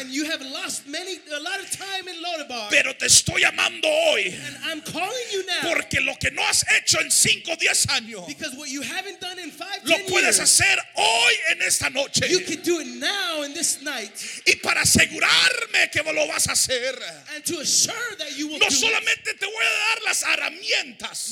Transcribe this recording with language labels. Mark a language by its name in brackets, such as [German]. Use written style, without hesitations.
[English] And you have lost a lot of time in Lodibar. [Spanish] Pero te estoy llamando hoy. [English] And I'm calling you now. [Spanish] Porque lo que no has hecho en 5 o 10 años. [English] Because what you haven't done in 5 [Spanish] lo puedes [English] years, [Spanish] hacer hoy en esta noche. [English] You can do it now in this night. [Spanish] Y para asegurarme que lo vas a hacer. [English] And to assure that you will [Spanish] no [English] do it. [Spanish] No solamente te voy a dar las herramientas.